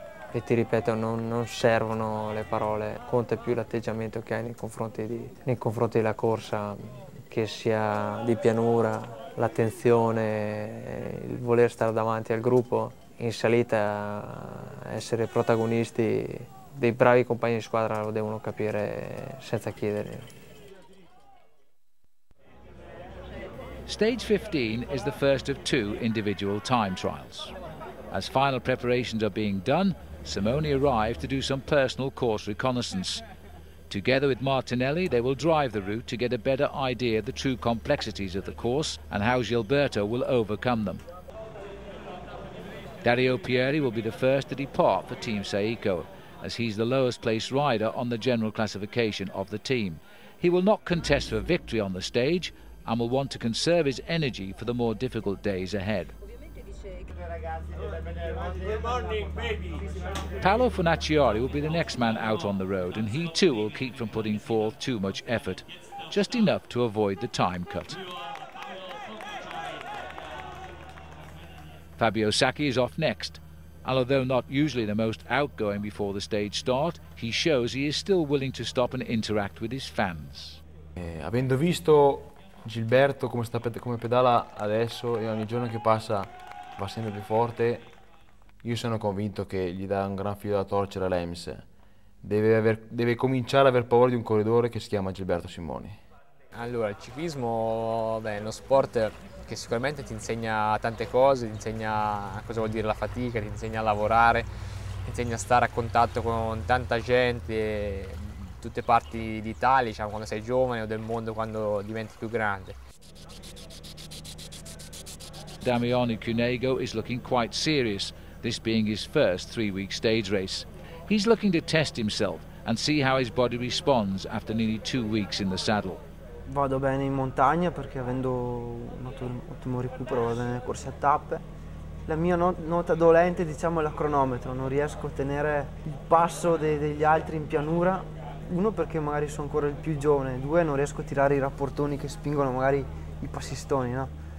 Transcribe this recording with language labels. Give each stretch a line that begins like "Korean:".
Italian: E ti ripeto, non servono le parole, conta più l'atteggiamento che hai nei confronti della corsa, che sia di pianura, l'attenzione, il voler stare davanti al gruppo, in salita essere protagonisti, dei bravi compagni di squadra lo devono capire senza chiedere.
English: Stage 15 is the first of two individual time trials. As final preparations are being done, Simone arrived to do some personal course reconnaissance. Together with Martinelli, they will drive the route to get a better idea of the true complexities of the course and how Gilberto will overcome them. Dario Pieri will be the first to depart for Team Saeco, as he's the lowest placed rider on the general classification of the team. He will not contest for victory on the stage and will want to conserve his energy for the more difficult days ahead. Paolo Funacciari will be the next man out on the road and he too will keep from putting forth too much effort, just enough to avoid the time cut. Fabio Sacchi is off next, and although not usually the most outgoing before the stage start, he shows he is still willing to stop and interact with his fans.
Italian: Avendo visto Gilberto come pedala adesso e ogni giorno che passa va sempre più forte, io sono convinto che gli dà un gran filo da torcere all'EMS. Deve cominciare ad aver paura di un corridore che si chiama Gilberto Simoni. Allora, il ciclismo, è uno sport che sicuramente ti insegna tante cose, ti insegna cosa vuol dire la fatica, ti insegna a lavorare, ti insegna a stare a contatto con tanta gente, tutte parti d'Italia, diciamo, quando sei giovane, o del mondo quando diventi più grande.
English: Damiano Cunego is looking quite serious, this being his first three-week stage race. He's looking to test himself and see how his body responds after nearly 2 weeks in the saddle.
Italian: Vado bene in montagna perché avendo un ottimo recupero, vado bene nelle corse a tappe. La mia nota dolente, diciamo, è la cronometro. Non riesco a tenere il passo degli altri in pianura. Uno, perché magari sono ancora il più giovane. Due, non riesco a tirare i rapportoni che spingono magari i passistoni, no?